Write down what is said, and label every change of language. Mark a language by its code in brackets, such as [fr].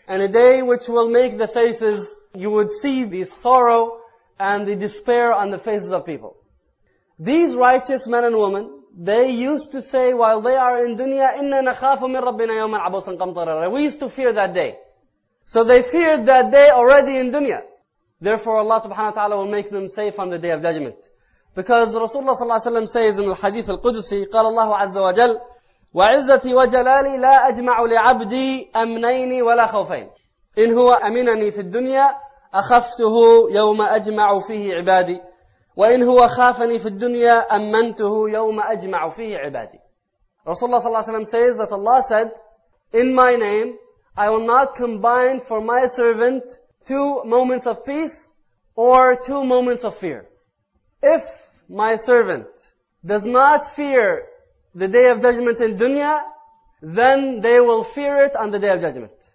[en] And a day which will make the faces, you would see the sorrow and the despair on the faces of people. These righteous men and women, they used to say while they are in dunya, [ar] إِنَّا نَخَافُ مِنْ رَبِّنَا يَوْمًا عَبُوسًا قَمْطَرِرًا. [en] We used to fear that day. So they feared that day already in dunya. Therefore Allah subhanahu wa ta'ala will make them safe on the day of judgment. Because Rasulullah sallallahu alayhi wa sallam says in the hadith al-Qudusi, [ar] قال الله عز وجل, وَعِزَّتِي وَجَلَالِي لَا أَجْمَعُ لِعَبْدِي أَمْنَيْنِ وَلَا خَوْفَيْنِ إِنْ هُوَ أَمِنَنِي فِي الدُّنْيَا أخفته يوم أجمع فيه عبادي وإن هو خافني في الدنيا أمنته يوم أجمع فيه عبادي. [en] Rasulullah sallallahu alayhi wa sallam says that Allah said, in my name, I will not combine for my servant two moments of peace or two moments of fear. If my servant does not fear the day of judgment in dunya, then they will fear it on the day of judgment.